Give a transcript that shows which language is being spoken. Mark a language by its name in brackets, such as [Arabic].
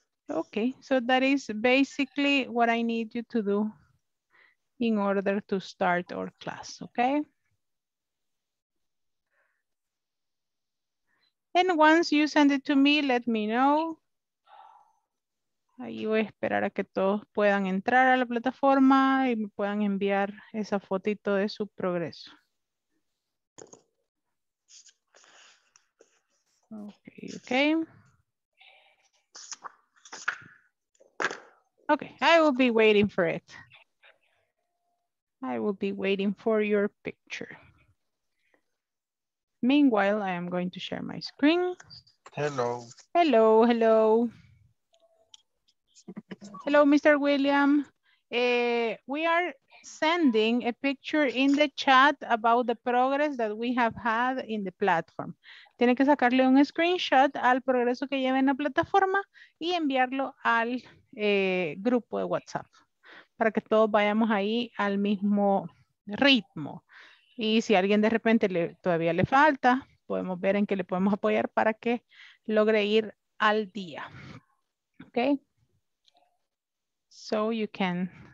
[English] Okay, so that is basically what I need you to do in order to start our class. Okay. And once you send it to me, let me know. [Spanish] Ahí voy a esperar a que todos puedan entrar a la plataforma y me puedan enviar esa fotito de su progreso. [English] Okay, okay. Okay, I will be waiting for it. I will be waiting for your picture. Meanwhile, I am going to share my screen. Hello. Hello, hello. Hello, Mr. William. We are sending a picture in the chat about the progress that we have had in the platform. [Spanish] Tiene que sacarle un screenshot al progreso que lleva en la plataforma y enviarlo al grupo de WhatsApp para que todos vayamos ahí al mismo ritmo. Y si a alguien de repente todavía le falta, podemos ver en qué le podemos apoyar para que logre ir al día. Okay. [English] So you can